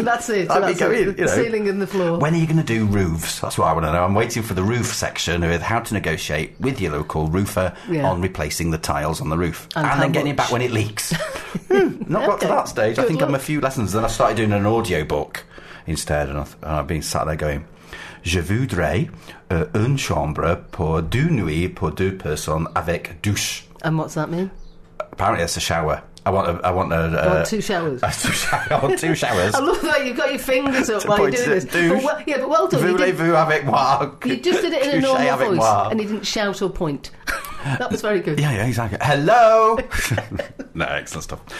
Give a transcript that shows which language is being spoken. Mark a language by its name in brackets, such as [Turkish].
[English] That's it. Ceiling and the floor. When are you going to do roofs? That's what I want to know. I'm waiting for the roof section with how to negotiate with your local roofer on replacing the tiles on the roof. And then getting it back when it leaks. Not got to that stage. Good I think luck. I'm a few lessons. Then I started doing an audio book instead. And I've been sat there going, [French] je voudrais une chambre pour deux nuits pour deux personnes avec douche. [English] And what's that mean? Apparently that's a shower. I want two showers. I love that you've got your fingers up while you're doing this. Well done. [French] Voulez-vous avec moi? [English] You just did it in a normal voice and you didn't shout or point. That was very good. Yeah, exactly. Hello. No, excellent stuff.